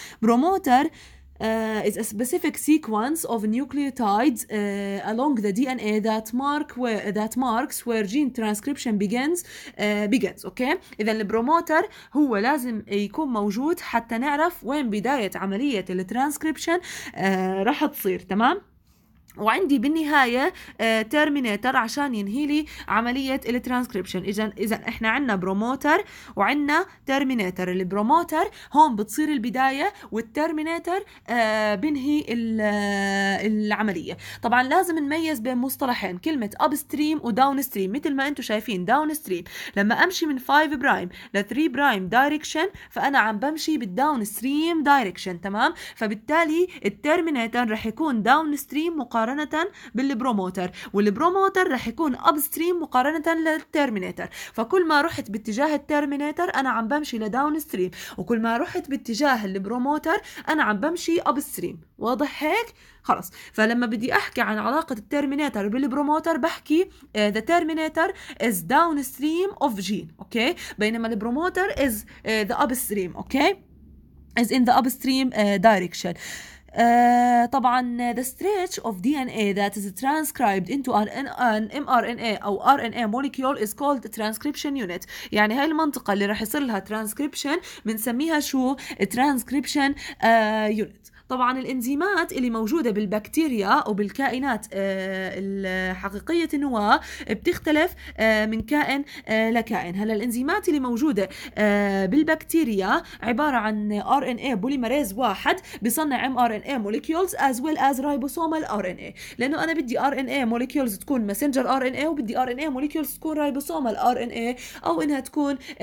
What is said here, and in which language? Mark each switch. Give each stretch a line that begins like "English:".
English: Promoter is a specific sequence of nucleotides along the DNA that marks where gene transcription begins. Okay.
Arabic: إذا البروموتر هو لازم يكون موجود حتى نعرف وين بداية عملية الترانسكريبشن راح تصير، تمام؟ وعندي بالنهاية تيرمينيتر عشان ينهي لي عملية الترانسكريبشن. إذا إحنا عنا بروموتر وعنا تيرمينيتر. البروموتر هون بتصير البداية والتيرمينيتر بنهي العملية. طبعا لازم نميز بين مصطلحين، كلمة أبستريم وداونستريم. مثل ما أنتوا شايفين داونستريم لما أمشي من 5 برايم ل 3 برايم دايركشن، فأنا عم بمشي بالداونستريم دايركشن، تمام؟ فبالتالي التيرمينيتر رح يكون داونستريم مقارنة بالبروموتر، والبروموتر رح يكون أبستريم مقارنة للتيرمينيتر. فكل ما رحت باتجاه التيرمينيتر أنا عم بمشي لداونستريم، وكل ما رحت باتجاه البروموتر أنا عم بمشي أبستريم. واضح هيك؟ خلاص. فلما بدي أحكي عن علاقة التيرمينيتر بالبروموتر بحكي
English: the terminator is downstream of gene،
Arabic: أوكي؟ بينما البروموتر
English: is the upstream،
Arabic: أوكي؟
English: is in the upstream direction.
Arabic: طبعا
English: the stretch of DNA that is transcribed into an mRNA
Arabic: أو
English: RNA molecule is called transcription unit.
Arabic: يعني هاي المنطقة اللي رح يصير لها transcription بنسميها شو؟ transcription unit. طبعا الانزيمات اللي موجودة بالبكتيريا وبالكائنات الحقيقية النواة بتختلف من كائن لكائن. هلا الانزيمات اللي موجودة بالبكتيريا عبارة عن RNA بوليمريز واحد بيصنع
English: mRNA molecules as well as ribosomal RNA،
Arabic: لانه انا بدي RNA molecules تكون messenger RNA وبدي RNA molecules تكون ribosomal RNA او انها تكون